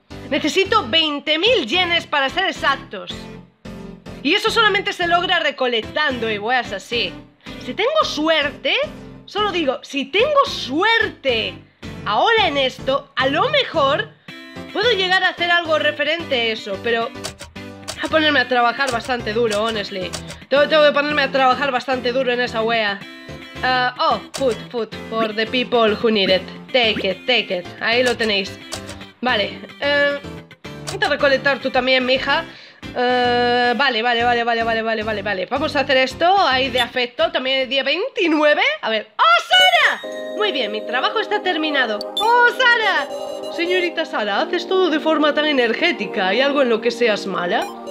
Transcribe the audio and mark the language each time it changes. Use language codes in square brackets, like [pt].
[es] Necesito 20.000 yenes para ser exactos. Y eso solamente se logra recolectando y weas así. Si tengo suerte, Solo digo, si tengo suerte ahora en esto, a lo mejor puedo llegar a hacer algo referente a eso, pero a ponerme a trabajar bastante duro, [en] honestly. [es] Tengo que ponerme a trabajar bastante duro en esa wea. [en] Food for the people who need it. Take it. [es] Ahí lo tenéis. Vale. Intenta recolectar tú también, mija. Vale. Vamos a hacer esto. Ahí de afecto. También el día 29. A ver. ¡Oh, Sara! Muy bien, mi trabajo está terminado. ¡Oh, Sara! Señorita Sara, haces todo de forma tan energética. ¿Hay algo en lo que seas mala?